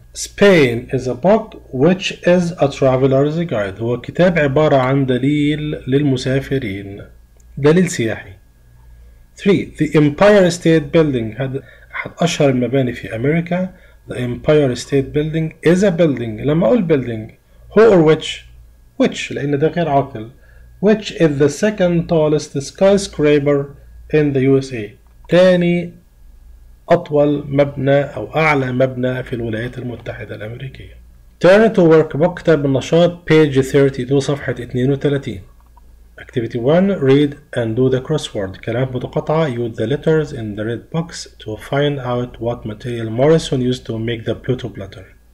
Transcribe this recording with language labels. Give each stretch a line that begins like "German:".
English: Spain is a book which is a traveler's guide.
Arabic: هو كتاب عبارة عن دليل للمسافرين، دليل سياحي.
English: 3. The Empire State Building.
Arabic: أحد أشهر المباني في أمريكا.
English: The Empire State Building is a building.
Arabic: لما أقول
English: building who or which?
Arabic: Which، لأن ده غير عاقل.
English: Which is the second tallest skyscraper in the USA.
Arabic: تاني أطول مبنى أو أعلى مبنى في الولايات المتحدة الأمريكية.
English: Turn to workbook.
Arabic: كتاب النشاط
English: page 32
Arabic: صفحة 32.
English: Activity 1, read and do the crossword.
Arabic: كلمات متقطعة.
English: Use the letters in the red box to find out what material Morrison used to make the Pluto platter.